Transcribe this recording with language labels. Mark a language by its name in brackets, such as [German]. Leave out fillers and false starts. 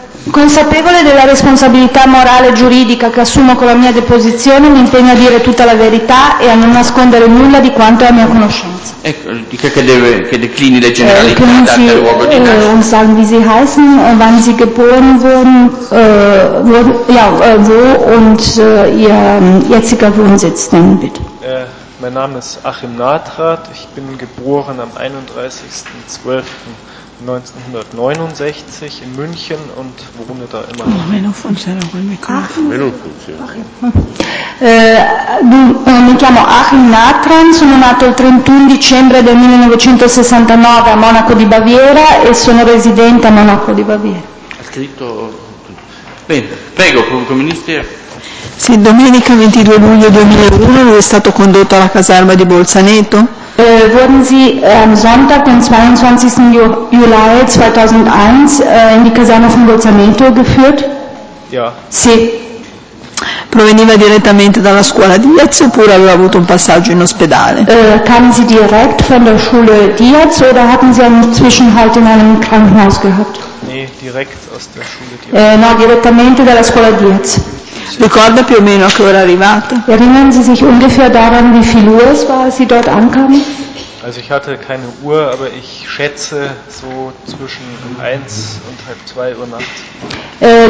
[Italian] Consapevole della responsabilità morale e giuridica che assumo con la mia deposizione, mi impegno a dire tutta la verità e a non nascondere nulla di quanto è a mia conoscenza. Ecco, dica che declini le generalità date al luogo di nascita. [German] Und sagen, wie Sie heißen, wann Sie geboren wurden, wo und Ihr jetziger Wohnsitz nennen, bitte. Mein Name ist Achim Natrat, ich bin geboren am 31.12.1969 in München und wohne da immer noch. [Italian] Meno funziona col microfono. Mi chiamo Achim Natran, sono nato il 31 dicembre del 1969 a Monaco di Baviera e sono residente a Monaco di Baviera. Ha scritto. Bene, prego, pubblico ministero. Sì, domenica 22 luglio 2001 è stato condotto alla caserma di Bolzaneto. [German] Wurden Sie am Sonntag, den 22. Juli 2001, in die Kaserne von Bolzaneto geführt? Ja. [Italian] Sì. Proveniva direttamente dalla scuola Diaz oppure aveva avuto un passaggio in ospedale? [German] Kamen Sie direkt von der Schule Diaz oder hatten Sie einen Zwischenhalt in einem Krankenhaus gehabt? [Italian] No, direttamente dalla scuola Diaz. Ricorda più o meno a che ora è arrivata? [German] Erinnern Sie sich ungefähr daran, wie viel Uhr es war, als Sie dort ankamen? Also ich hatte keine Uhr, aber ich schätze so zwischen 1 und halb 2 Uhr nachts.